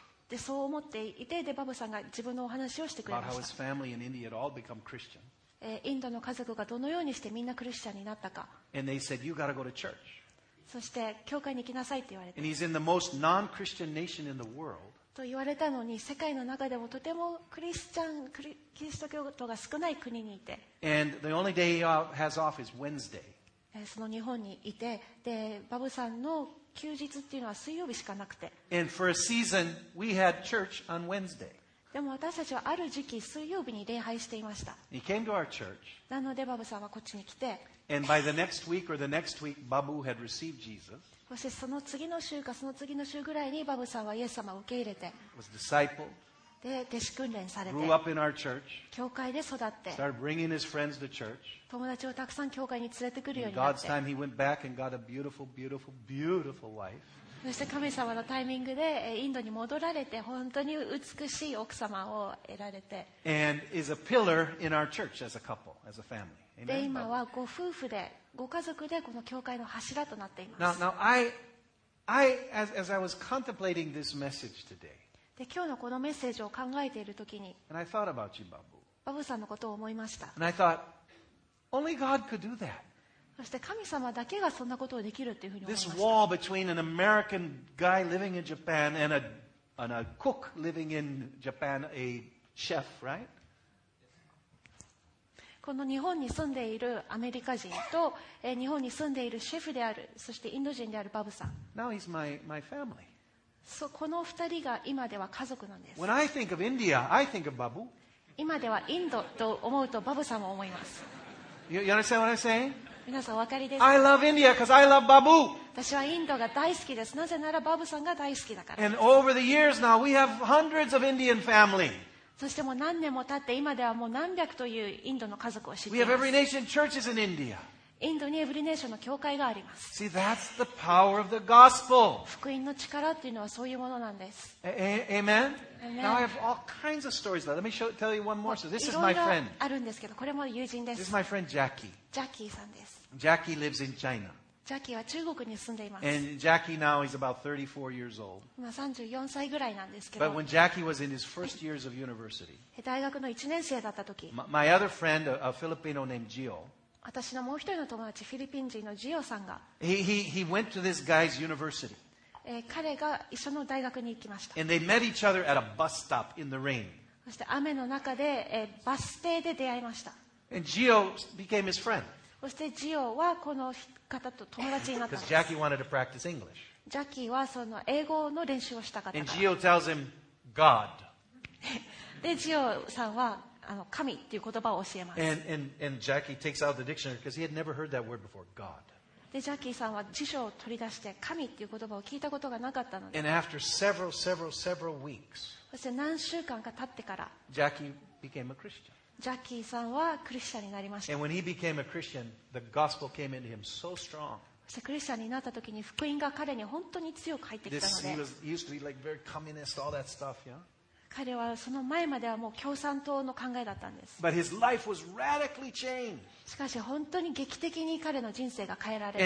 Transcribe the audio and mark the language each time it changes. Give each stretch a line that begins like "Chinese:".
Japanese: でそう思っていて、でバブさんが自分のお話をしてくれました。
English: About how his family in India had all become Christian.
Japanese: インドの家族がどのようにしてみんなクリシュナになったか。
English: And they said, you gotta go to church.
Japanese: そして教会に行きなさいって言われて。
English: And he's in the most non-Christian nation in the world.
Japanese: と言われたのに、世界の中でもとてもキリスト教徒が少ない国にいて。
English: And the only day he has off is Wednesday.
Japanese: その日本にいて、でバブさんの休日っていうのは水曜日しかなくて。
English: And for a season, we had church on Wednesday.
Japanese: でも私たちはある時期水曜日に礼拝していました。
English: He came to our church.
Japanese: なのでバブさんはこっちに来て。
English: And by the next week or the next week, Babu had received Jesus.
Japanese: そしてその次の週かその次の週ぐらいにバブさんはイエス様を受け入れて。
English: Was discipled.
Japanese: で弟子訓練されて
English: grew up in our church,
Japanese: 教会で育って
English: started bringing his friends to church,
Japanese: 友達をたくさん教会に連れてくるようになって
English: time, he went back and got a beautiful, beautiful, beautiful wife.
Japanese: そして神様のタイミングでインドに戻られて本当に美しい奥様を得られて
English: and is a pillar in our church as a couple, as a family.
Japanese: で今はご夫婦でご家族でこの教会の柱となっています。
English: Now, as I was contemplating this message today,
Japanese: で今日のこのメッセージを考えているときに、
English: And I thought about you, Babu.
Japanese: バブさんのことを思いました。
English: And I thought, only God could do that.
Japanese: そして神様だけがそんなことをできるというふうに思いました。
English: This wall between an American guy living in Japan and a cook living in Japan, a chef, right?
Japanese: この日本に住んでいるアメリカ人と日本に住んでいるシェフである、そしてインド人であるバブさん。
English: Now he's my family.
Japanese: この二人が今では家族なんです。
English: When I think of India, I think of Babu.
Japanese: 今ではインドと思うとバブさんも思います。
English: You understand what I'm saying?
Japanese: 皆さんお分かりですか?
English: I love India because I love Babu.
Japanese: 私はインドが大好きです。なぜならバブさんが大好きだから。
English: And over the years now, we have hundreds of Indian family.
Japanese: そしてもう何年も経って今ではもう何百というインドの家族を知っています。
English: We have every nation churches in India.
Japanese: インドにエブリネーションの教会があります。
English: See, that's the power of the gospel.
Japanese: 福音の力っていうのはそういうものなんです。
English: Amen? Now I have all kinds of stories. Let me tell you one more. So this is my friend.
Japanese: いろいろあるんですけど、これも友人です。
English: This is my friend Jackie.
Japanese: Jackie さんです。
English: Jackie lives in China.
Japanese: Jackie は中国に住んでいます。
English: And Jackie now is about 34 years old.
Japanese: 今34歳ぐらいなんですけど、
English: But when Jackie was in his first years of university,
Japanese: 大学の1年生だった時、
English: My other friend, a Filipino named Gio,
Japanese: 私のもう一人の友達、フィリピン人のジオさんが、
English: he went to this guy's university.
Japanese: 彼が一緒の大学に行きました。
English: And they met each other at a bus stop in the rain.
Japanese: そして雨の中で、バス停で出会いました。
English: And Gio became his friend.
Japanese: そしてジオはこの方と友達になったんです。
English: Because Jackie wanted to practice English.
Japanese: ジャッキーはその英語の練習をしたかったから。
English: And Gio tells him, God.
Japanese: で、ジオさんは、神っていう言葉を教えます。
English: And Jackie takes out the dictionary because he had never heard that word before, God.
Japanese: で、ジャッキーさんは辞書を取り出して神っていう言葉を聞いたことがなかったので。
English: And after several weeks,
Japanese: そして何週間か経ってから、
English: Jackie became a Christian.
Japanese: ジャッキーさんはクリスチャンになりました。
English: And when he became a Christian, the gospel came into him so strong.
Japanese: そしてクリスチャンになった時に福音が彼に本当に強く入ってきたので。
English: This, he was, he used to be like very communist, all that stuff, yeah?
Japanese: 彼はその前まではもう共産党の考えだったんです。
English: But his life was radically changed.
Japanese: しかし本当に劇的に彼の人生が変えられて。